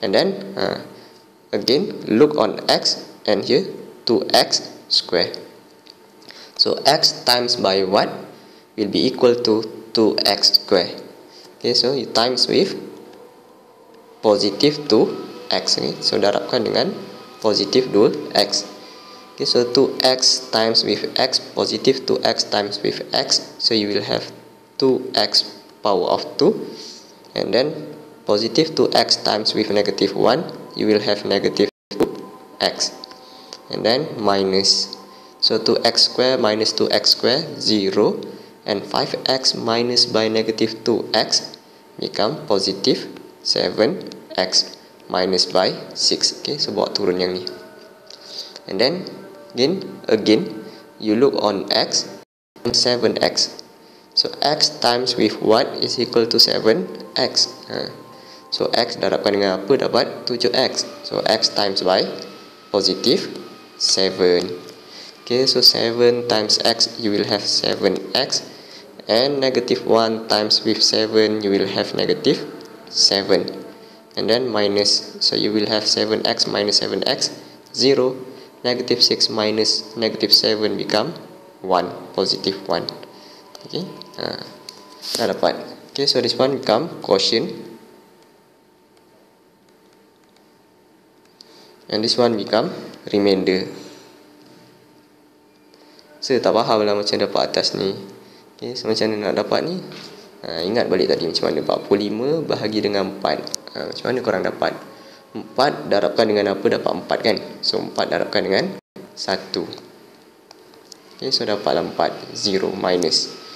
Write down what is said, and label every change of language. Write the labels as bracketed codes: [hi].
[en] And then, again, look on x and here 2x square. So x times by what will be equal to 2x square. Okay, so you times with positive 2x. [ms] Okay, so darabkan dengan positive 2x. [en] Okay, so 2x times with x, positive 2x times with x, so you will have 2x power of 2. And then positive 2x times with negative 1, you will have negative 2x. And then minus. So 2x square minus 2x square, 0. And 5x minus by negative 2x become positive 7x minus by 6. Okay, so [ms] bawa turun yang ni. [en] And then again, you look on x and 7x. So x times with what is equal to 7x. [ms] So x darabkan dengan apa dapat 7x. [en] So x times y positive 7. Okay, so 7 times x you will have 7x, and negative 1 times with 7 you will have negative 7, and then minus, so you will have 7x minus 7x 0, negative 6 minus negative 7 become 1, positive 1. Okay, [ms] dah dapat. [en] Okay, so this one become quotient, and this one become remainder. [ms] Saya tak faham lah macam dapat atas ni. Okay, so macam mana nak dapat ni? Ingat balik tadi macam mana 45 bahagi dengan 4. Macam mana korang dapat 4 darabkan dengan apa dapat 4 kan? So 4 darabkan dengan 1. Okay, so dapatlah 4, 0 minus.